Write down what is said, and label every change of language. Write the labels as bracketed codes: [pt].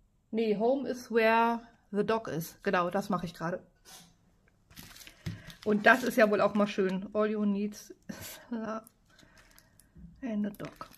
[en] Nee, home is where the dog is. [de] Genau, das mache ich gerade. Und das ist ja wohl auch mal schön. [en] All you need is love and a dog.